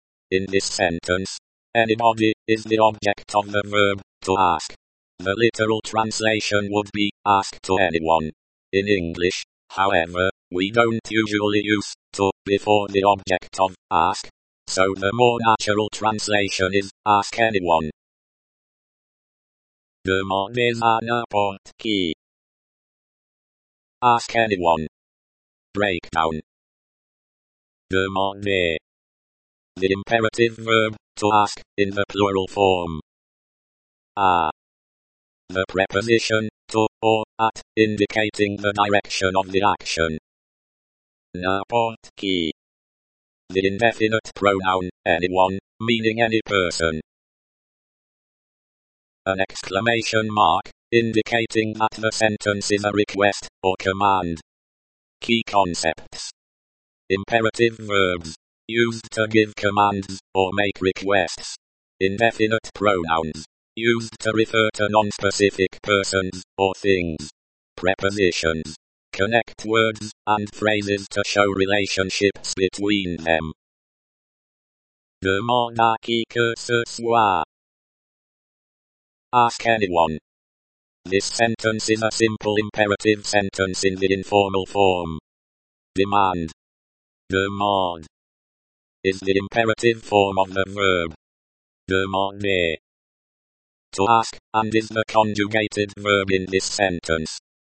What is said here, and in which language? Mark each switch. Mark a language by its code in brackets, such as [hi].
[en] In this sentence, anybody is the object of the verb to ask. The literal translation would be ask to anyone. In English, however, we don't usually use to before the object of ask, so the more natural translation is ask anyone. [fr] Demandez à n'importe qui. [en] Ask anyone. Breakdown. [fr] Demandez. [en] The imperative verb to ask in the plural form. [fr] À. [en] The preposition to or at indicating the direction of the action. [fr] N'importe qui. [en] The indefinite pronoun anyone, meaning any person. An exclamation mark, indicating that the sentence is a request or command. Key concepts. Imperative verbs, used to give commands or make requests. Indefinite pronouns, used to refer to non-specific persons or things. Prepositions, connect words and phrases to show relationships between them. [fr] Demande à qui que ce soit. [en] Ask anyone. This sentence is a simple imperative sentence in the informal form. [fr] Demand. Demande [en] is the imperative form of the verb. [fr] Demander. [en] To ask, and is the conjugated verb in this sentence.